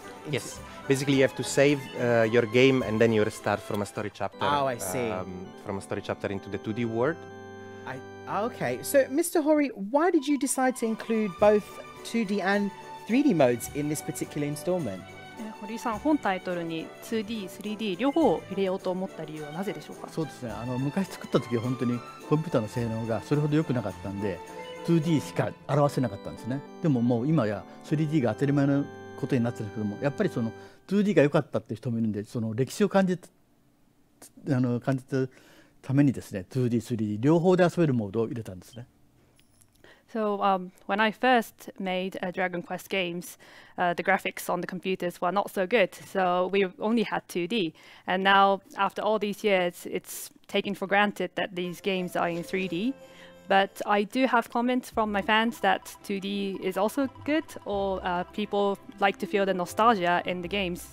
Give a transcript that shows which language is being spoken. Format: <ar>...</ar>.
<en>Yes. Basically, you have to save your game and then you restart from a story chapter. Oh, I see. From a story chapter into the 2D world. Okay. So, Mr. Hori, why did you decide to include both 2D and 3D modes in this particular installment?</en> <ja>堀さん、本タイトルに 2D、3D 両方入れようと思った理由はなぜでしょうか。そうですね、昔作った時は本当にコンピューターの性能がそれほど良くなかったんで 2D しか表せなかったんですね。でももう今や 3D が当たり前のことになってるけども、やっぱりその 2D が良かったって人もいるんで、その歴史を感じたためにですね、 2D、3D 両方で遊べるモードを入れたんですね。</ja> <en>So when I first made Dragon Quest games, the graphics on the computers were not so good. So we only had 2D. And now, after all these years, it's taken for granted that these games are in 3D. But I do have comments from my fans that 2D is also good, or people like to feel the nostalgia in the games.</en>